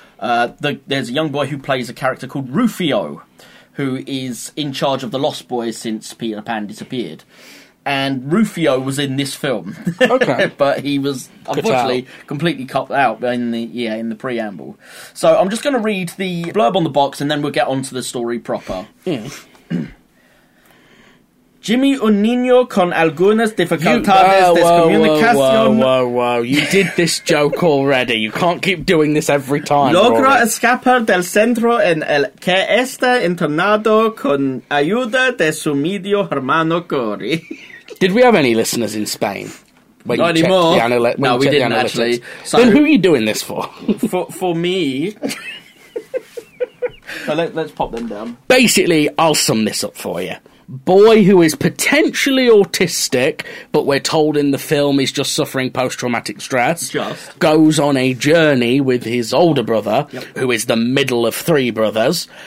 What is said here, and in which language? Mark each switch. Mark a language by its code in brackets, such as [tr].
[en] There's a young boy who plays a character called Rufio, who is in charge of the Lost Boys since Peter Pan disappeared. And Rufio was in this film. Okay. But he was, unfortunately, completely cut out in the preamble. So I'm just going to read the blurb on the box, and then we'll get onto the story proper. Yeah. [es] Jimmy, un niño con algunas dificultades de comunicación. [en] Whoa, you did this joke already. You can't keep doing this every time. [es] Logra escapar del centro en el que está internado con ayuda de su medio hermano Cory. [en] Did we have any listeners in Spain? Not anymore. No, we didn't actually. So, then who are you doing this for? for me. So let's pop them down. Basically, I'll sum this up for you. Boy who is potentially autistic, but we're told in the film he's just suffering post-traumatic stress, goes on a journey with his older brother, who is the middle of three brothers.